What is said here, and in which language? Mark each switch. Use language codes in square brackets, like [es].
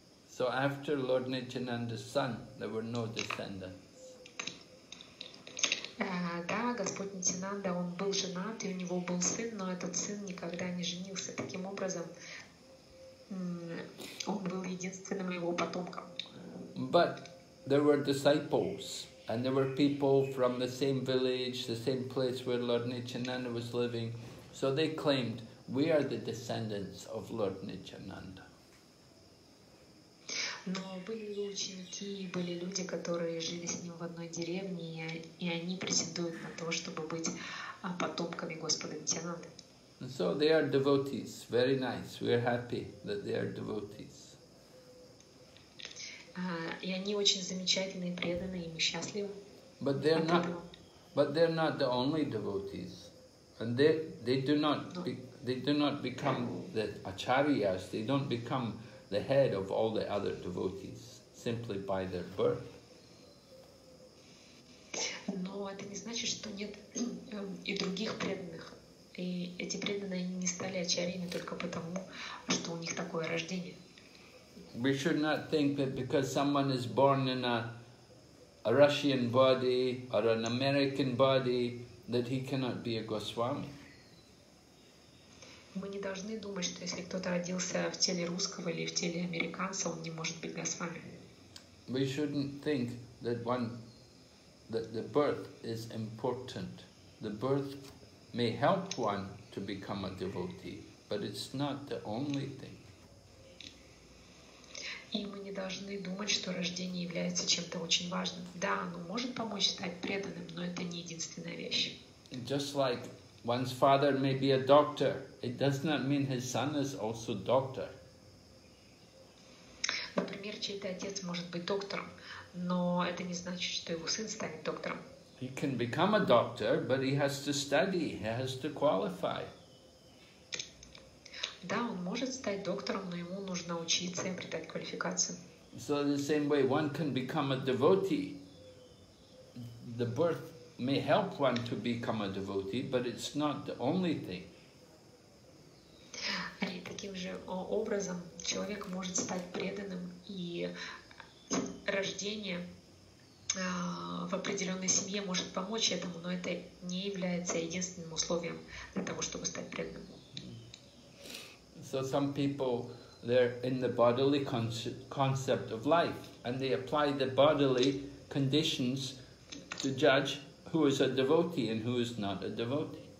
[en] So after Lord Nityananda's son, there were no descendants. [ru] Да, Господь Нитянанда, он был женат, и у него был сын, но этот сын никогда не женился. Таким образом, он был единственным его потомком. [en] But there were disciples, and there were people from the same village, the same place where Lord Nityananda was living. So they claimed, we are the descendants of Lord Nityananda. [ru] Но были ученики, были люди, которые жили с ним в одной деревне, и они претендуют на то, чтобы быть а потомками Господа Нитянанды. [en] So they are devotees. Very nice. We are happy that they are devotees. [ru] И они очень замечательные, преданные, и мы счастливы. [en] But they are not. But they are not the only devotees, and they do not become the acharyas. They don't become the head of all the other devotees simply by their birth. [ru] Но это не значит, что нет и других преданных. И эти преданные не стали ачарьями только потому, что у них такое рождение. [en] We should not think that because someone is born in a Russian body or an American body that he cannot be a Goswami. [ru] Мы не должны думать, что если кто-то родился в теле русского или в теле американца, он не может быть Госвами. [en] We shouldn't think that one that the birth is important. The birth may help one to become a devotee, but it's not the only thing. [ru] И мы не должны думать, что рождение является чем-то очень важным. Да, оно может помочь стать преданным, но это не единственная вещь. [en] Just like one's father may be a doctor, it does not mean his son is also doctor. [ru] Например, чей-то отец может быть доктором, но это не значит, что его сын станет доктором. [en] He can become a doctor, but he has to study, he has to qualify. [ru] Да, он может стать доктором, но ему нужно учиться и придать квалификацию. [en] So in the same way, one can become a devotee. The birth may help one to become a devotee, but it's not the only thing. [ru] И таким же образом человек может стать преданным, и рождение в определенной семье может помочь этому, но это не является единственным условием для того, чтобы стать преданным. [en] So some people, they're in the bodily concept of life, and they apply the bodily conditions to judge who is a devotee and who is not a devotee.